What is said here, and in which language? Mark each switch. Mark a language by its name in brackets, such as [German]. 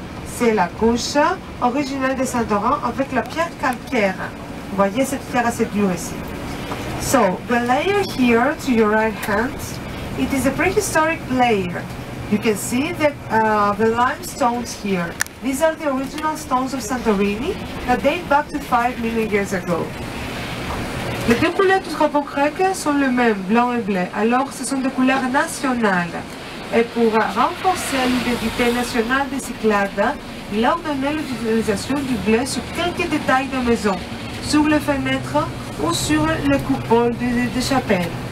[French] C'est la couche originale de Saint-Laurent avec la pierre calcaire. Vous voyez cette pierre assez dure ici. [English] So, the layer here to your right hand, it is a prehistoric layer. You can see the limestones here. These are the original stones of Santorini that date back to 5 million years ago. [French] Les deux couleurs du drapeau grec sont les mêmes, blanc et bleu. Alors, ce sont des couleurs nationales. Et pour renforcer l'identité nationale des Cyclades, il a ordonné l'utilisation du bleu sur quelques détails de maison, sur les fenêtres ou sur les coupoles des chapelles.